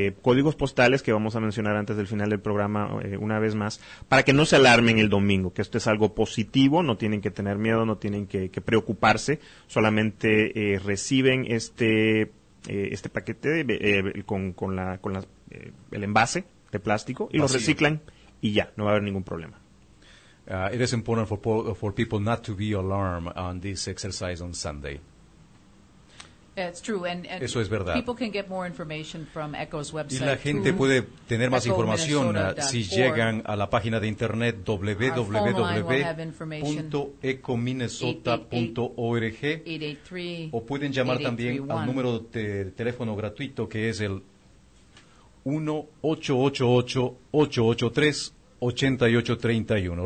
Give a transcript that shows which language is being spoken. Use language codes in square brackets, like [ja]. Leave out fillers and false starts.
[es] códigos postales que vamos a mencionar antes del final del programa una vez más, para que no se alarmen el domingo, que esto es algo positivo, no tienen que tener miedo, no tienen que preocuparse, solamente reciben este paquete el envase de plástico y lo reciclan y ya, no va a haber ningún problema. [en] It is important for people not to be alarmed on this exercise on Sunday. That's true, and [es] eso es verdad. [en] People can get more information from Echo's website. [es] Y la gente puede tener más información si llegan a la página de internet www.ecominnesota.org o pueden llamar también al número de teléfono gratuito que es el 1-888-883-8831.